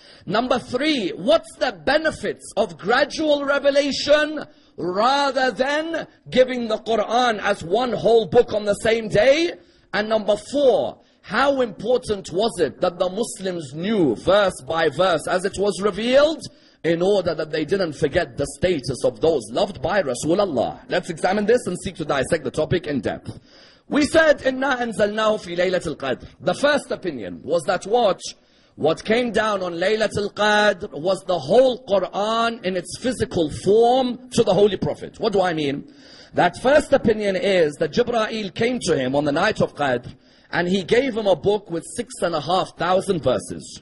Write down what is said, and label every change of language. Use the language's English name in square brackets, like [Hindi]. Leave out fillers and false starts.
[English] Number three, what's the benefits of gradual revelation rather than giving the Quran as one whole book on the same day? And number four, how important was it that the Muslims knew verse by verse as it was revealed in order that they didn't forget the status of those loved by Rasulullah? Let's examine this and seek to dissect the topic in depth. We said, [Arabic] إِنَّا أَنزَلْنَاهُ فِي لَيْلَةِ الْقَدْرِ. [English] The first opinion was that what came down on Laylatul Qadr was the whole Quran in its physical form to the Holy Prophet. What do I mean? That first opinion is that Jibreel came to him on the night of Qadr and he gave him a book with 6,500 verses.